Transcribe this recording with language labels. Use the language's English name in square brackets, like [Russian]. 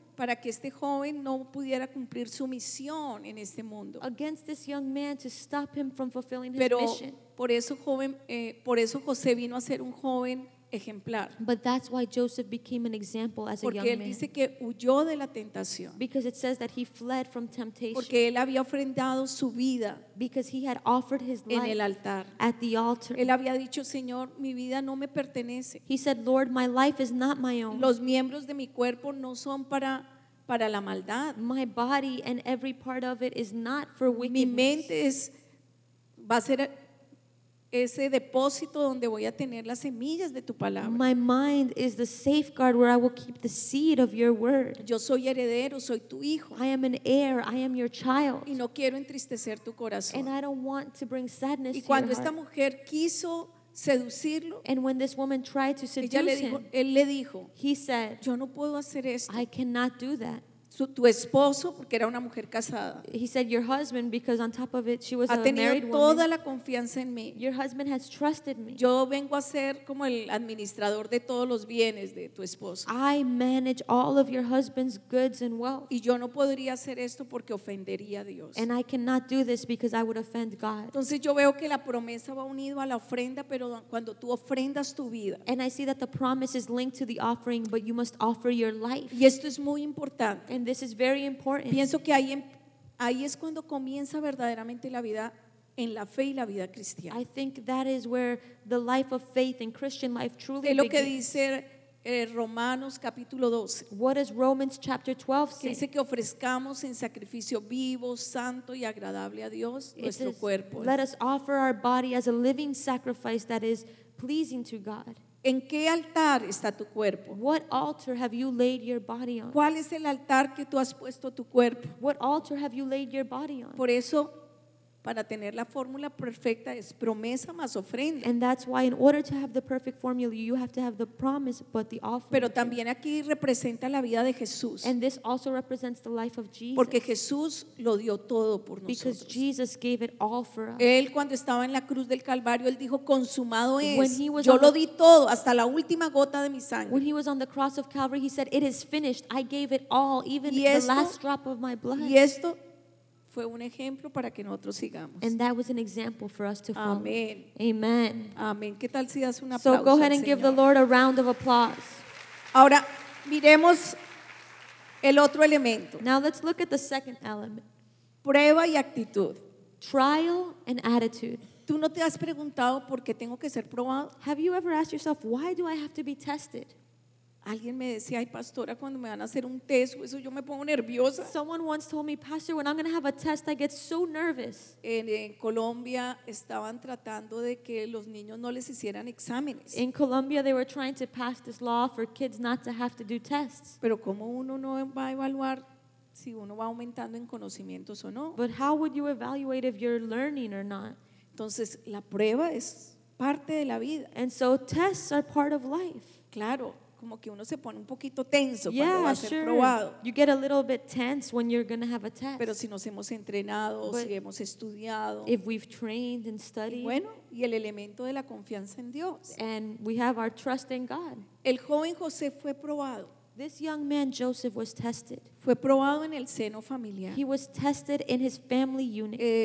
[Spanish] Para que este joven no pudiera cumplir su misión en este mundo. [English] Against this young man to stop him from fulfilling his [Spanish] pero [English] mission. [Spanish] Pero por eso José vino a ser un joven ejemplar. [English] But that's why Joseph became an example as [Spanish] porque [English] a young man. [Spanish] Porque él dice que huyó de la tentación. [English] Because it says that he fled from temptation. [Spanish] Porque él había ofrendado su vida. [English] Because he had offered his life [Spanish] en el altar. [English] At the altar. [Spanish] Él había dicho, Señor, mi vida no me pertenece. [English] He said, Lord, my life is not my own. [Spanish] Los miembros de mi cuerpo no son para la maldad. [English] My body and every part of it is not for wickedness. [Spanish] Mi mente va a ser ese depósito donde voy a tener las semillas de tu palabra. [English] My mind is the safeguard where I will keep the seed of your word. [Spanish] Yo soy heredero, soy tu hijo. [English] I am an heir, I am your child. [Spanish] Y no quiero entristecer tu corazón. [English] And I don't want to bring sadness [Spanish] y cuando [English] to your [Spanish] esta [English] heart. [Spanish] Mujer quiso seducirlo, [English] and when this woman tried to seduce [Spanish] ella le dijo, [English] him, [Spanish] él le dijo, [English] he said, [Spanish] yo no puedo hacer esto. [English] I cannot do that. [Spanish] Tu esposo, porque era una mujer casada. [English] He said, your husband, because on top of it, she was a married woman. [Spanish] Ha tenido toda la confianza en mí. [English] Your husband has trusted me. [Spanish] Yo vengo a ser como el administrador de todos los bienes de tu esposo. [English] I manage all of your husband's goods and wealth. [Spanish] Y yo no podría hacer esto porque ofendería a Dios. [English] And I cannot do this because I would offend God. [Spanish] Entonces yo veo que la promesa va unido a la ofrenda, pero cuando tú ofrendas tu vida. [English] And I see that the promise is linked to the offering, but you must offer your life. [Spanish] Y esto es muy importante. [English] And this is very important. [Spanish] Pienso que ahí es cuando comienza verdaderamente la vida en la fe y la vida cristiana. [English] I think that is where the life of faith and Christian life truly begins. [Spanish] Es lo que dice Romanos capítulo 12. [English] What does Romans chapter 12 say? [Spanish] Que dice que ofrezcamos en sacrificio vivo, santo y agradable a Dios nuestro cuerpo. [English] Let us offer our body as a living sacrifice that is pleasing to God. [Spanish] ¿En qué altar está tu cuerpo? [English] What altar have you laid your body on? [Spanish] ¿Cuál es el altar que tú has puesto tu cuerpo? [English] What altar have you laid your body on? [Spanish] Por eso Para tener la fórmula perfecta es promesa más ofrenda. [English] And that's why in order to have the perfect formula you have to have the promise but the offering. [Spanish] Pero también aquí representa la vida de Jesús. [English] And this also represents the life of Jesus. [Spanish] Porque Jesús lo dio todo por nosotros. [English] Because Jesus gave it all for us. [Spanish] Él cuando estaba en la cruz del Calvario él dijo consumado es. Yo lo di todo hasta la última gota de mi sangre. [English] When he was on the cross of Calvary he said it is finished. I gave it all, even the last drop of my blood. [Spanish] Y esto fue un ejemplo para que nosotros sigamos. [English] And that was an example for us to follow. [Spanish] Amén. [English] Amen. [Spanish] Amén. ¿Qué tal si das un aplauso al Señor? [English] So go ahead and give the Lord a round of applause. [Spanish] Ahora miremos el otro elemento. [English] Now let's look at the second element. [Spanish] Prueba y actitud. [English] Trial and attitude. [Spanish] ¿Tú no te has preguntado por qué tengo que ser probado? [English] Have you ever asked yourself why do I have to be tested? [Spanish] Alguien me decía, ay pastora, cuando me van a hacer un test, eso yo me pongo nerviosa. [English] Someone once told me, pastor, when I'm going to have a test, I get so nervous. [Spanish] En Colombia estaban tratando de que los niños no les hicieran exámenes. [English] In Colombia they were trying to pass this law for kids not to have to do tests. [Spanish] Pero cómo uno no va a evaluar si uno va aumentando en conocimientos o no. [English] But how would you evaluate if you're learning or not? [Spanish] Entonces la prueba es parte de la vida. [English] And so tests are part of life. [Spanish] Claro. Como que uno se pone un poquito tenso [English] yeah, [Spanish] cuando va a ser [English] sure. [Spanish] probado. [English] You get a little bit tense when you're going to have a test. [Spanish] Pero si nos hemos entrenado, [English] but [Spanish] si hemos estudiado. [English] If we've trained and studied. [Spanish] Y bueno, y el elemento de la confianza en Dios. [English] And we have our trust in God. [Spanish] El joven José fue probado. [English] This young man Joseph was tested. [Spanish] Fue probado en el seno familiar. [English] He was tested in his family unit.